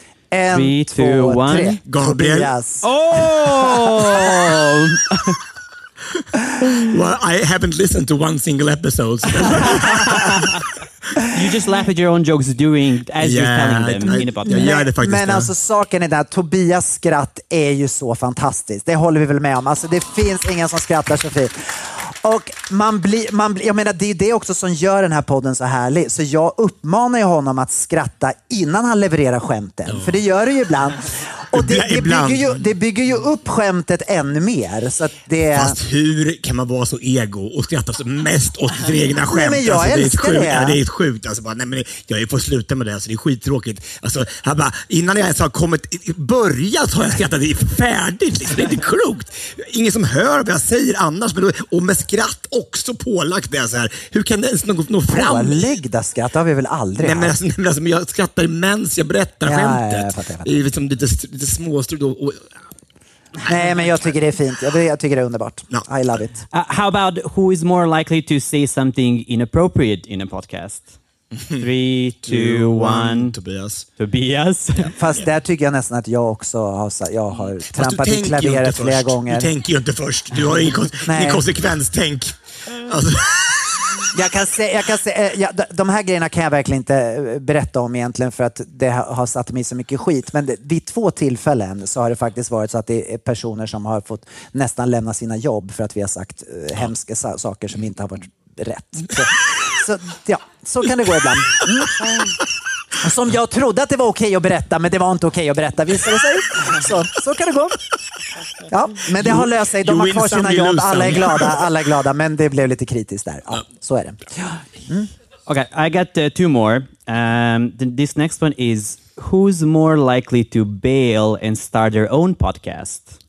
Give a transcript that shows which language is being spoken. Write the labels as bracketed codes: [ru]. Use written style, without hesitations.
[en] Three, two, one. Gabriel. Yes. Oh! Well, I haven't listened to one single episode. You just laugh at your own jokes you're telling them in the podcast. Yeah, yeah. [sv] Men alltså saken är där, Tobias skratt är ju så fantastiskt. Det håller vi väl med om. Alltså det finns ingen som skrattar så fint. Och jag menar det är det också som gör den här podden så härlig. Så jag uppmanar ju honom att skratta innan han levererar skämten. Oh. För det gör det ju ibland. Och det bygger ju upp skämtet ännu mer. Så att det... Fast hur kan man vara så ego och skratta så mest åt sitt egna skämt? Nej, men jag alltså, älskar det. Det är ett sjukt. Alltså, bara, nej, men jag får sluta med det. Alltså, det är skittråkigt. Alltså, här bara, innan jag ens har börjat så har jag skrattat. Det är färdigt. Liksom. Det är inte klokt. Ingen som hör vad jag säger annars. Men då, och med skratt också pålagt det. Så här. Hur kan det ens nå fram? Pålagda skratt har vi väl aldrig. Nej, men, alltså, jag skrattar mens jag berättar skämtet. Lite småstrud och... Nej, men jag tycker det är fint. Jag tycker det är underbart. [en] No. I love it. How about who is more likely to say something inappropriate in a podcast? 3, 2, 1. Tobias. Yeah. [sv] Fast där tycker jag nästan att jag också har trampat i klaveret flera gånger. Du tänker ju inte först. Du har ingen konsekvenstänk. Alltså... Jag kan säga, de här grejerna kan jag verkligen inte berätta om egentligen för att det har satt mig så mycket skit. Men vid två tillfällen så har det faktiskt varit så att det är personer som har fått nästan lämna sina jobb för att vi har sagt hemska saker som inte har varit rätt. Så kan det gå ibland. Som jag trodde att det var okej att berätta, men det var inte okej att berätta, visade det sig. Så kan det gå. Ja, men det har löst sig. De har kvar sina jobb. Alla är glada. Men det blev lite kritiskt där. Ja, så är det. [en] Mm. Okay, I got two more. This next one is, who's more likely to bail and start their own podcast?